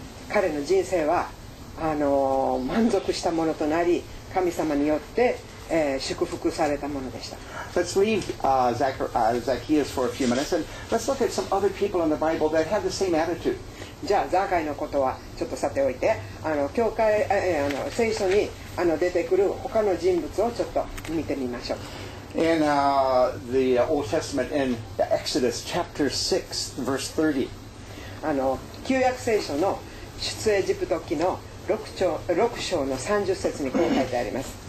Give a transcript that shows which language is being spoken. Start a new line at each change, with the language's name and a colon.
Japanese: 彼の人生は満足したものとなり、神様によって、祝福されたものでした。
English: Let's leave Zacchaeus for a few minutes and let's look at some other people in the Bible that have the same attitude.
Japanese: じゃあザーカイのことはちょっとさておいて、教会、聖書に出てくる他の人物をちょっと見てみましょう。
English: In the Old Testament, in Exodus chapter 6, verse 30.
Japanese: 旧約聖書の出エジプト記の6章の30節にこう書いてあります。